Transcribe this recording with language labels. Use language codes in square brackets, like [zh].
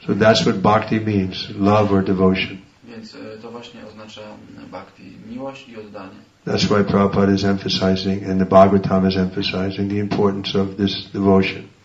[en] So that's what bhakti means, love or devotion. [pl] Więc to właśnie oznacza bhakti, miłość i oddanie. [en] That's why Prabhupada is emphasizing and the Bhagavatam is emphasizing the importance of this devotion.